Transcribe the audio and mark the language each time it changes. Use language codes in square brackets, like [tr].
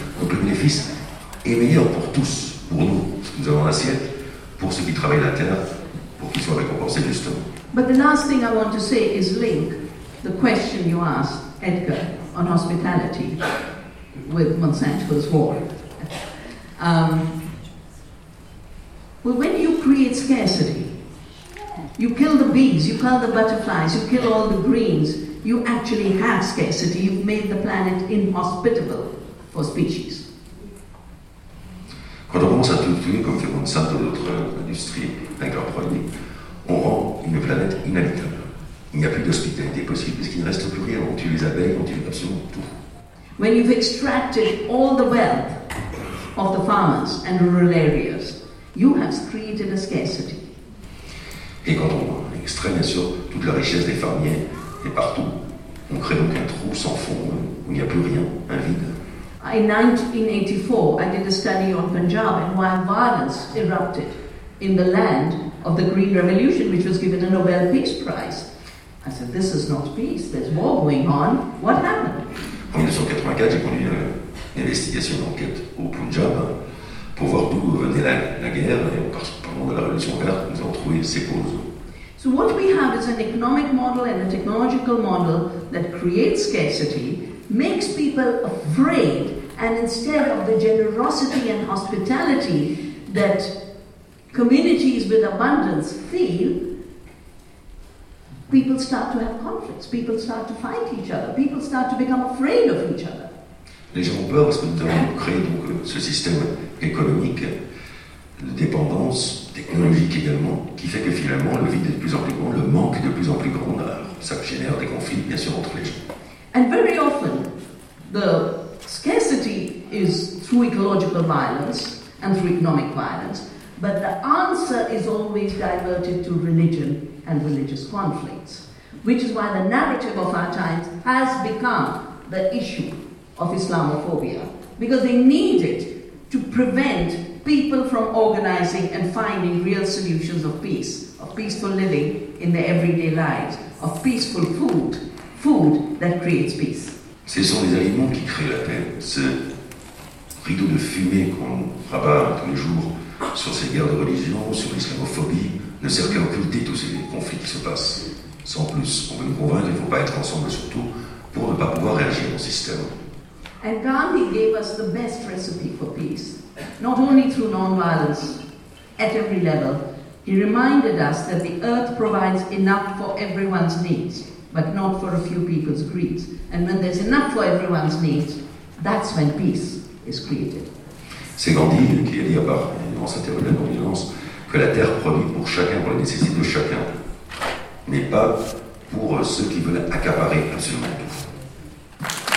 [fr] Donc le bénéfice est meilleur pour tous, pour nous, parce que nous avons l'assiette, pour ceux qui travaillent la terre, pour qu'ils soient récompensés justement. [en] But the last thing I want to say is link the question you asked, Edgar, on hospitality with Monsanto's war. Well, when you create scarcity, you kill the bees, you kill the butterflies, you kill all the greens, you actually have scarcity, you've made the planet inhospitable for species. [fr] Quand on commence à tout tuer, comme fait Monsanto et d'autres industries avec leurs produits, on rend une planète inhabitable. Il n'y a plus d'hospitalité possible, puisqu'il ne reste plus rien. On tue les abeilles, on tue absolument tout. [en] When you've extracted all the wealth of the farmers and rural areas, you have created a scarcity. [fr] Et quand on extrait, bien sûr, toute la richesse des fermiers et partout, on crée donc un trou sans fond où il n'y a plus rien, un vide. [en] In 1984, I did a study on Punjab and why violence erupted in the land of the Green Revolution, which was given a Nobel Peace Prize. I said, this is not peace, there's war going on. What happened? [fr] En 1984, j'ai conduit une investigation, une enquête au Punjab, pour voir d'où venait la guerre, et au moment de la révolution verte, nous avons trouvé ses causes. [en] So what we have is an economic model and a technological model that creates scarcity, makes people afraid, and instead of the generosity and hospitality that communities with abundance feel, people start to have conflicts, people start to fight each other, people start to become afraid of each other. [fr] Les gens ont peur parce que nous avons créé donc ce système économique de dépendance, technologique également, qui fait que finalement le vide est de plus en plus grand, le manque est de plus en plus grand, ça génère des conflits bien sûr entre les gens. [en] And very often, the scarcity is through ecological violence and through economic violence, but the answer is always diverted to religion and religious conflicts, which is why the narrative of our times has become the issue of Islamophobia, because they need it to prevent people from organizing and finding real solutions of peace, of peaceful living in their everyday lives, of peaceful food, food that creates peace. [fr] Ce sont les aliments qui créent la paix. Ce rideau de fumée qu'on rabat tous les jours sur ces guerres de religion, sur l'islamophobie, ne sert qu'à occulter tous ces conflits qui se passent. Sans plus, on veut nous convaincre qu'il ne faut pas être ensemble, surtout pour ne pas pouvoir réagir au système. [en] And Gandhi gave us the best recipe for peace, not only through non-violence, at every level. He reminded us that the earth provides enough for everyone's needs, but not for a few people's greed. And when there's enough for everyone's needs, that's when peace is created. [fr] C'est Gandhi qui a dit, à part dans sa théorie de la non-violence, que la terre produit pour chacun, pour les nécessités de chacun, mais pas pour ceux qui veulent accaparer absolument tout.